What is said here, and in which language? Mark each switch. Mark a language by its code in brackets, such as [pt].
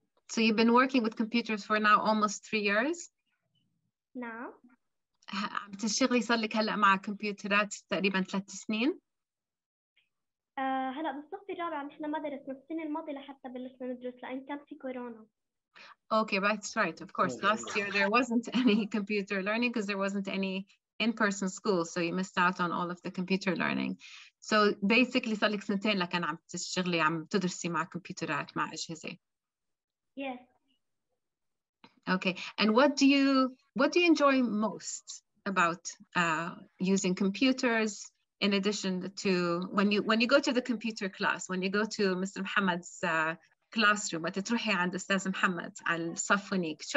[en] So you've been working with computers for now almost 3 years? Now. [ar] عم تشتغلي صار لك هلا مع كمبيوترات تقريبا 3 سنين؟ هلا بالصف الرابع نحن ما درسنا السنة الماضية لحتى بلشنا ندرس لأن كان في كورونا. [en] Okay, that's right. Of course, last year there wasn't any computer learning because there wasn't any in-person school, so you missed out on all of the computer learning. So basically, [ar] صار لك سنتين لكن عم تشتغلي عم تدرسي مع كمبيوترات مع أجهزة. [en] Yes. Okay. And what do you enjoy most about using computers? In addition to when you go to the computer class, when you go to Mr. Muhammad's classroom, what did you say to Ustaz Muhammad on the class?